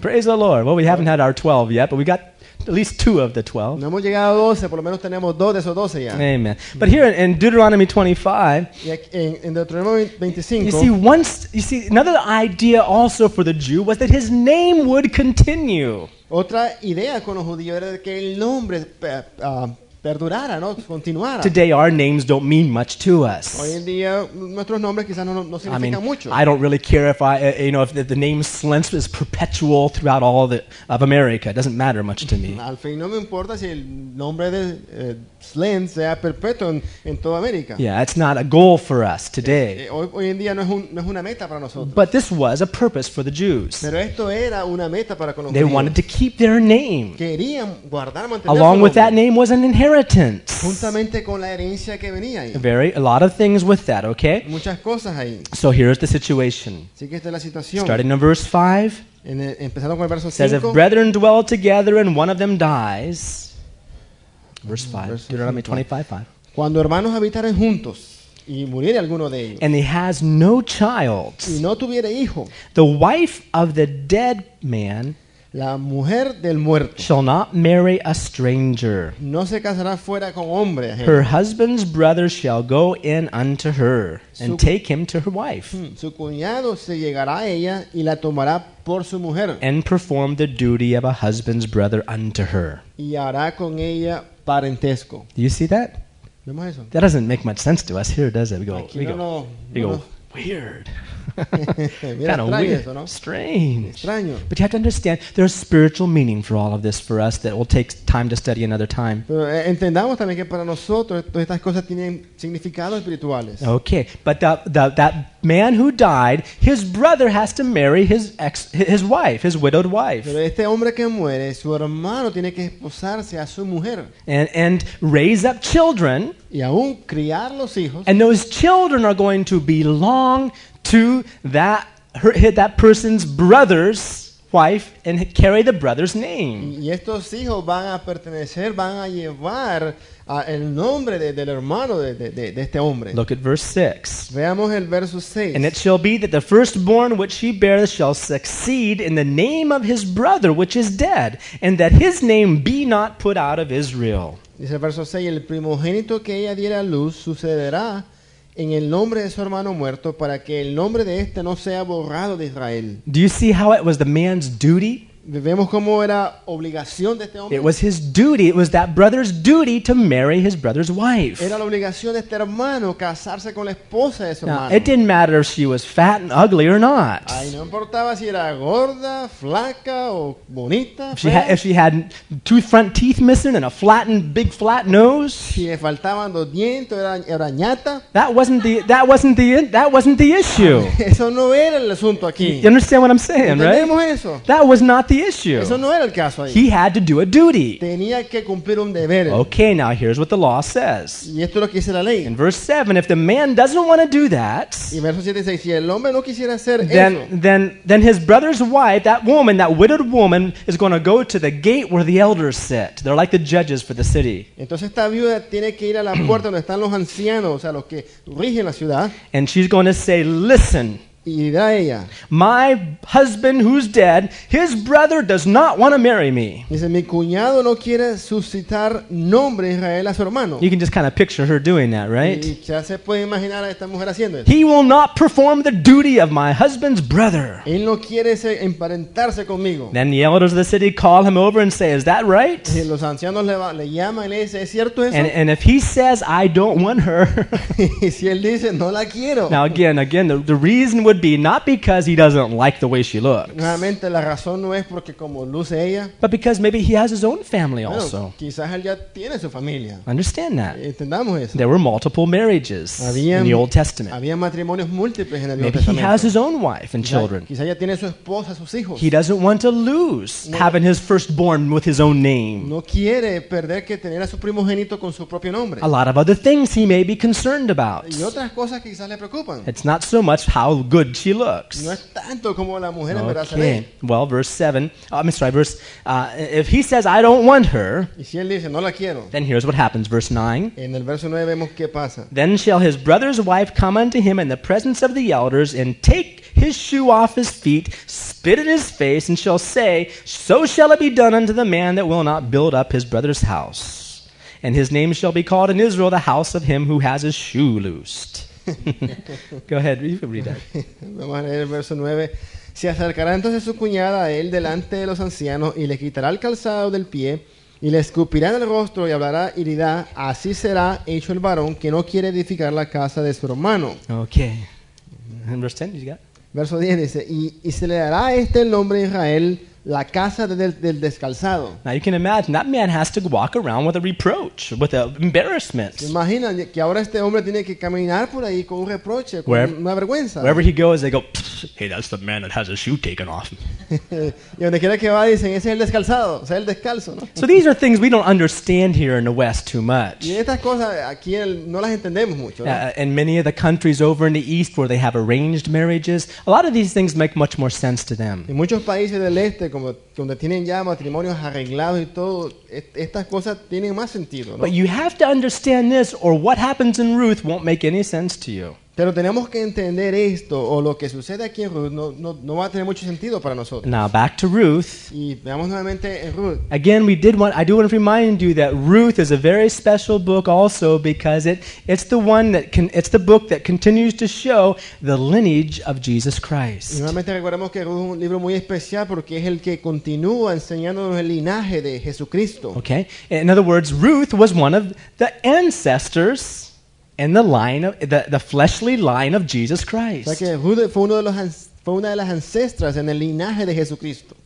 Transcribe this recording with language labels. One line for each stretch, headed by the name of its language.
English: Praise the Lord. Well, we haven't had our 12 yet, but we got at least 2 of the 12.
Spanish: No hemos llegado a 12, por lo menos tenemos 2 de esos 12 ya.
English: Amen. But here in Deuteronomy 25, in Deuteronomy 25, you see, another idea also for the Jew was that his name would continue.
Spanish: Otra idea con los judíos era que el nombre perdurara, ¿no? Continuara.
English: Today our names don't mean much to us.
Spanish: Hoy en día nuestros nombres quizás no significan mucho.
English: I don't really care if I, you know, if the name Slint is perpetual throughout all of America. It doesn't matter much to me.
Spanish: Al fin no me importa si el nombre de Slint sea perpetuo en toda América.
English: Yeah, it's not a goal for us today.
Spanish: Hoy en día no es una meta para nosotros.
English: But this was a purpose for the Jews.
Spanish: Pero esto era una meta para con los judíos.
English: They wanted to keep their name.
Spanish: Querían guardar, mantener.
English: Along with that name was an inheritance.
Spanish: Juntamente con la herencia que venía ahí.
English: Very, a lot of things with that, okay?
Spanish: Muchas cosas ahí.
English: So here's the situation.
Spanish: Así que esta es la situación.
English: Starting in verse 5.
Spanish: Empezando con el verso 5.
English: Says, if brethren dwell together and one of them dies. Verse 5. Deuteronomy 25:5.
Spanish: Cuando hermanos habitaren juntos y muriere alguno de ellos.
English: And he has no child.
Spanish: Y no tuviere hijo.
English: The wife of the dead man.
Spanish: La mujer del muerto
English: shall not marry a stranger.
Spanish: No se casará fuera con hombre.
English: Her husband's brother shall go in unto her and take him to her wife.
Spanish: Su cuñado se llegará a ella y la tomará por su mujer.
English: And perform the duty of a husband's brother unto her.
Spanish: Y hará con ella parentesco.
English: Do you see that?
Spanish: ¿Vemos eso?
English: That doesn't make much sense to us here, does it? We go. Weird. Kind of weird.
Spanish: Eso, ¿no?
English: Strange.
Spanish: Extraño.
English: But you have to understand, there's spiritual meaning for all of this for us that will take time to study another time.
Spanish: Pero entendamos también que para nosotros todas estas cosas tienen significados espirituales.
English: Okay, but that man who died, his brother has to marry his widowed wife.
Spanish: Pero este hombre que muere, su hermano tiene que esposarse a su mujer.
English: And raise up children.
Spanish: Y aún criar los hijos.
English: And those children are going to belong to that person's brother's wife and carry the brother's name.
Spanish: Y estos hijos van a pertenecer, van a llevar el nombre del hermano de este hombre.
English: Look at verse 6.
Spanish: Veamos el verso 6.
English: And it shall be that the firstborn which he beareth shall succeed in the name of his brother which is dead, and that his name be not put out of Israel.
Spanish: Dice el verso 6, el primogénito que ella diera luz sucederá en el nombre de su hermano muerto para que el nombre de este no sea borrado de Israel.
English: Do you see how it was the man's duty?
Spanish: ¿Vemos cómo era obligación de este hombre?
English: It was his duty, it was that brother's duty to marry his brother's wife.
Spanish: Era la obligación de este hermano casarse con la esposa de su hermano.
English: Now, it didn't matter if she was fat and ugly or not.
Spanish: Ay, no importaba si era gorda, flaca o bonita.
English: If she had two front teeth missing and a flattened, big flat nose.
Spanish: Si le faltaban dos dientes, era ñata.
English: That wasn't the issue.
Spanish: Eso no era el asunto aquí.
English: You understand what I'm saying, right?
Spanish: ¿Entendemos eso?
English: That was not the the issue.
Spanish: Eso no era el caso ahí.
English: He had to do a duty.
Spanish: Tenía que cumplir un deber.
English: Okay, now here's what the law says.
Spanish: Y esto es lo que dice la ley.
English: In verse 7, if the man doesn't want to do that,
Spanish: y verso 7 dice, si el hombre no quisiera hacer
English: then his brother's wife, that woman, that widowed woman, is going to go to the gate where the elders sit. They're like the judges for the city.
Spanish: Entonces esta viuda tiene que ir a la puerta donde están los ancianos, o sea, los que rigen la ciudad.
English: And she's going to say, listen,
Spanish: y dirá ella,
English: my husband who's dead, his brother does not want to marry me.
Spanish: Dice, mi cuñado no quiere suscitar nombre Israel a su hermano.
English: You can just kind of picture her doing that, right?
Spanish: Y ya se puede imaginar a esta mujer haciendo eso.
English: He will not perform the duty of my husband's brother.
Spanish: Él no quiere emparentarse conmigo.
English: Then the elders of the city call him over and say, is that right?
Spanish: Y los ancianos le llaman y le dicen, ¿es cierto eso?
English: And if he says, I don't want her.
Spanish: Y si él dice, no la quiero.
English: Now again, the reason would be not because he doesn't like the way she looks.
Spanish: Realmente la razón no es porque como luce ella,
English: but because maybe he has his own family also.
Spanish: Bueno, quizás él ya tiene su familia.
English: Understand that.
Spanish: Entendamos eso.
English: There were multiple marriages
Spanish: había,
English: in the Old Testament.
Spanish: Había matrimonios múltiples en el
English: maybe
Spanish: Testamento.
English: He has his own wife and children.
Spanish: Quizás ya tiene su esposa, sus hijos.
English: He doesn't want to lose no, having his firstborn with his own name.
Spanish: No quiere perder que tener a su primogénito con su propio nombre.
English: A lot of other things he may be concerned about.
Spanish: Y otras cosas que quizás le preocupan.
English: It's not so much how good she looks.
Spanish: No es tanto como la mujer
English: okay. Well, verse 7. If he says, I don't want her,
Spanish: y si él dice, no la quiero,
English: then here's what happens. Verse 9.
Spanish: En el verso 9 vemos qué pasa.
English: Then shall his brother's wife come unto him in the presence of the elders and take his shoe off his feet, spit in his face, and shall say, so shall it be done unto the man that will not build up his brother's house. And his name shall be called in Israel the house of him who has his shoe loosed. Go ahead, you can read that.
Spanish: Vamos a leer el verso 9. Se acercará entonces su cuñada a él delante de los ancianos y le quitará el calzado del pie y le escupirá en el rostro y hablará y dirá, así será hecho el varón que no quiere edificar la casa de su hermano.
English: Okay. And verse 10, you got?
Spanish: Verso 10 dice, y se le dará el nombre de Israel, la casa del descalzado.
English: Now you can imagine that man has to walk around with a reproach, with an embarrassment.
Spanish: Imagina que ahora este hombre tiene que caminar por ahí con un reproche, con una vergüenza.
English: Wherever he goes, they go, hey, that's the man that has his shoe taken off.
Spanish: Y donde quiera que va, dicen, ese es el descalzado, o sea, el descalzo, ¿no?
English: So these are things we don't understand here in the West too much.
Spanish: Y estas cosas aquí no las entendemos mucho.
English: In many of the countries over in the East where they have arranged marriages, a lot of these things make much more sense to them.
Spanish: En muchos países del Este, como donde tienen ya matrimonios arreglados y todo, estas cosas tienen más sentido, ¿no?
English: But you have to understand this, or what happens in Ruth won't make any sense to you.
Spanish: Pero tenemos que entender esto, o lo que sucede aquí en Ruth no va a tener mucho sentido para nosotros.
English: Now back to Ruth.
Spanish: Y veamos nuevamente en Ruth.
English: Again, I do want to remind you that Ruth is a very special book also because it's the book that continues to show the lineage of Jesus Christ.
Spanish: Y nuevamente recordemos que Ruth es un libro muy especial porque es el que continúa enseñándonos el linaje de Jesucristo.
English: Okay. In other words, Ruth was one of the ancestors in the line of the fleshly line of Jesus Christ.
Spanish: O sea que Ruth fue una de las ancestras en el linaje de Jesucristo.